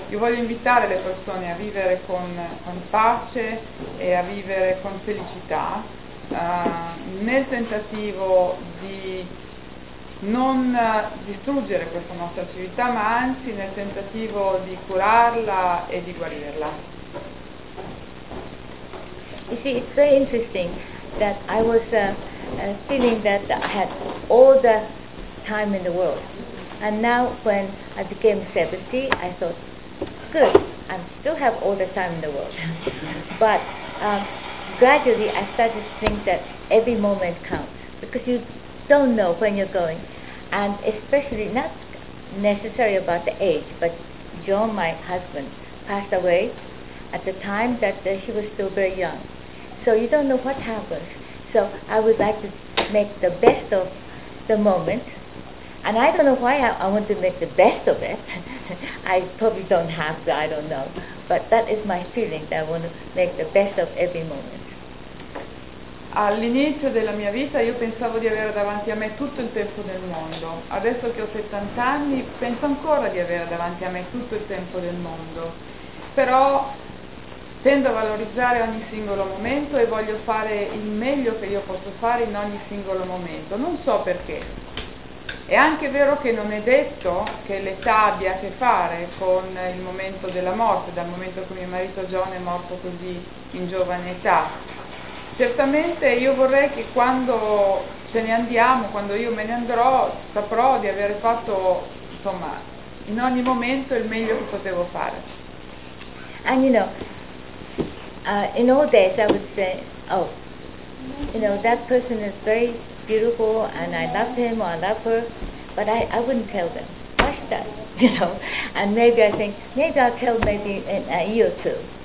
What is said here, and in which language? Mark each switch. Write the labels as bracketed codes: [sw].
[it] Io voglio invitare le persone a vivere con pace e a vivere con felicità, nel tentativo di non distruggere questa nostra civiltà, ma anzi nel tentativo di curarla e di guarirla. [en] You see, it's very interesting that I was feeling that I had all the time in the world. And now when I became 70, I thought, good, I still have all the time in the world. But gradually I started to think that every moment counts, because you don't know when you're going. And especially, not necessarily about the age, but John, my husband, passed away at the time that he was still very young. So you don't know what happens. So I would like to make the best of the moment. And I don't know why I want to make the best of it. I probably don't have to, I don't know. But that is my feeling, that I want to make the best of every moment. [it] All'inizio della mia vita io pensavo di avere davanti a me tutto il tempo del mondo. Adesso che ho 70 anni penso ancora di avere davanti a me tutto il tempo del mondo. Però tendo a valorizzare ogni singolo momento e voglio fare il meglio che io posso fare in ogni singolo momento. Non so perché. È anche vero che non è detto che l'età abbia a che fare con il momento della morte, dal momento che mio marito John è morto così in giovane età. Certamente io vorrei che quando ce ne andiamo, quando io me ne andrò, saprò di aver fatto, insomma, in ogni momento il meglio che potevo fare. [en] And you know, in old days I would say, oh, you know, that person is very beautiful and I love him or I love her, but I wouldn't tell them. Why should I? You know, and maybe I think, maybe I'll tell maybe in a year or two.